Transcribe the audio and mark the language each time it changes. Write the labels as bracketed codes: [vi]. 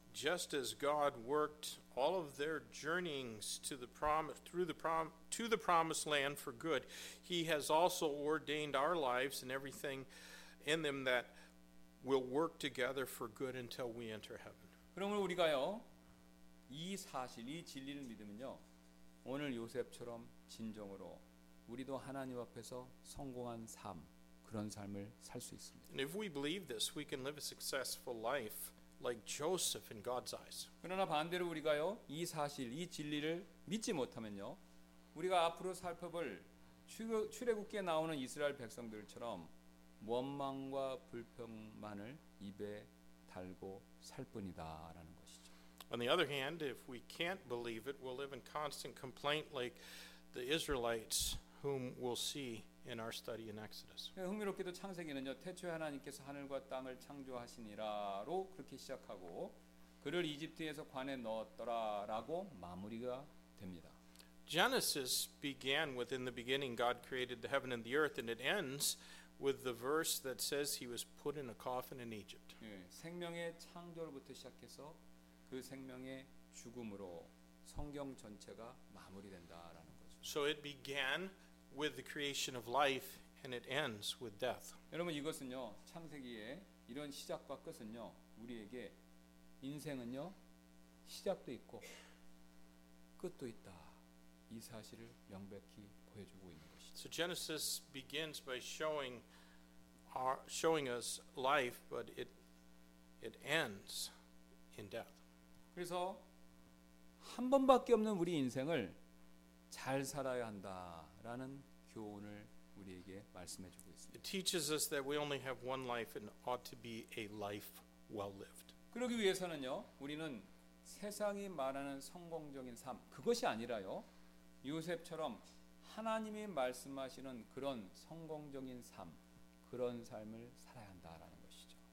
[en] Just as God worked all of their journeyings to the promise through the promise to the promised land for good, he has also ordained our lives and everything in them that will work together for good until we enter heaven. [ko] 그러면 우리가요. 이 사실 이 진리를 믿으면요. 오늘 요셉처럼 진정으로 우리도 하나님 앞에서 성공한 삶 그런 삶을 살 수 있습니다. [en] And if we believe this, we can live a successful life like Joseph in God's eyes. [ko] 그러나 반대로 우리가요. 이 사실 이 진리를 믿지 못하면요. 우리가 앞으로 살펴볼 출애굽기에 나오는 이스라엘 백성들처럼 원망과 불평만을 입에 달고 살 뿐이다라는 것이죠. [en] On the other hand, if we can't believe it, we'll live in constant complaint like the Israelites whom we'll see in our study in Exodus. [ko] 흥미롭게도 창세기는요. 태초에 하나님께서 하늘과 땅을 창조하시니라로 그렇게 시작하고 그를 이집트에서 관에 넣었더라라고 마무리가 됩니다. [en] Genesis began with in the beginning God created the heaven and the earth and it ends with the verse that says he was put in a coffin in Egypt. [ko] 예, 생명의 창조로부터 시작해서 그 생명의 죽음으로 성경 전체가 마무리된다라는 거죠. [en] So it began with the creation of life and it ends with death. [ko] 여러분 이것은요. 창세기의 이런 시작과 끝은요. 우리에게 인생은요. 시작도 있고 끝도 있다. 이 사실을 명백히 보여주고 있는 [en] So Genesis begins by showing us life, but it ends in death. [ko] 그래서 한 번밖에 없는 우리 인생을 잘 살아야 한다라는 교훈을 우리에게 말씀해 주고 있습니다. [en] It teaches us that we only have one life and ought to be a life well lived. [ko] 그러기 위해서는요, 우리는 세상이 말하는 성공적인 삶 그것이 아니라요, 요셉처럼 하나님이 말씀하시는 그런 성공적인 삶, 그런 삶을 살아야 한다라는 것이죠.